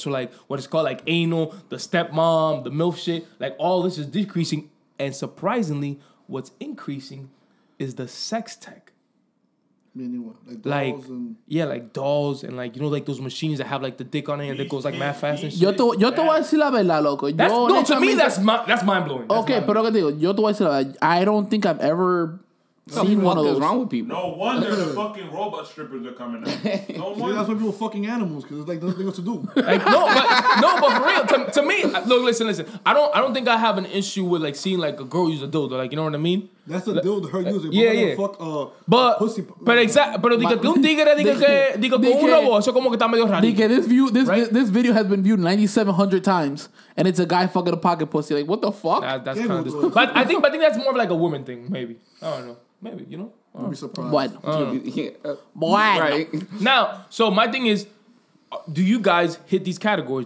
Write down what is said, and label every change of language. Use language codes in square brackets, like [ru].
[en] So like what it's called like anal, the stepmom, the MILF shit, like all this is decreasing. And surprisingly, what's increasing is the sex tech. Meaning what? Like dolls like, and... Yeah, like dolls and like, you know, like those machines that have like the dick on it and it goes like mad fast and shit. [es] Yo te voy a decir la verdad, loco. [en] To me, that's mind-blowing. [es] Okay, pero que te digo, yo te voy a decir la verdad. [en] I don't think I've ever... What the fuck is wrong with people? No wonder the fucking robot strippers are coming out. No wonder. That's why people are fucking animals, because it's like nothing else to do. Like, no, but for real, to me, look, listen. I don't think I have an issue with like seeing like a girl use a dildo. Like, you know what I mean? That's a dildo her using. Yeah. Fuck, but a pussy. But exactly. [es] Pero diga que un tigre diga que con un robot, eso como que está medio raro. [en] Diga, this video has been viewed 9,700 times. And it's a guy fucking a pocket pussy. Like, what the fuck? That's kind of disgusting. But I think that's more of like a woman thing, maybe. I don't know. Maybe, you know? I'd be surprised. What? Yeah. Right. Now, so my thing is, do you guys hit these categories?